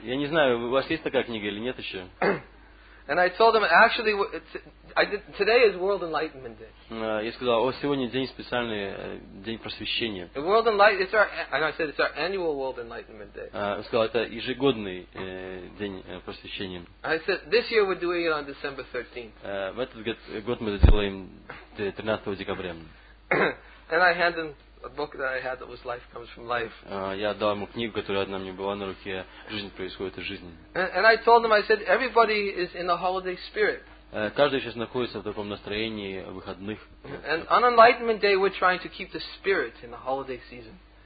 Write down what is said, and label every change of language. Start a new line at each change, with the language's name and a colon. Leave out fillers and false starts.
Russian: Я не знаю, у вас есть такая книга или нет еще.
English: And I told him, actually, today is World Enlightenment Day.
Russian: Я сказал, сегодня день специальный, день просвещения.
English: World Enlightenment, it's our annual World Enlightenment Day.
Russian: Я сказал, это ежегодный день просвещения.
English: I said, this year we're doing it on December 13th.
Russian: В этот год мы это делаем 13 декабря.
English: And I handed him a book that I had that was Life Comes From Life.
Russian: Я дал ему книгу, которая одна мне была на руке, «Жизнь происходит из жизни».
English: And I told him, I said, everybody is in the holiday spirit.
Russian: Каждый сейчас находится в таком настроении выходных.
English: And on Enlightenment Day, we're trying to keep the spirit in the holiday season.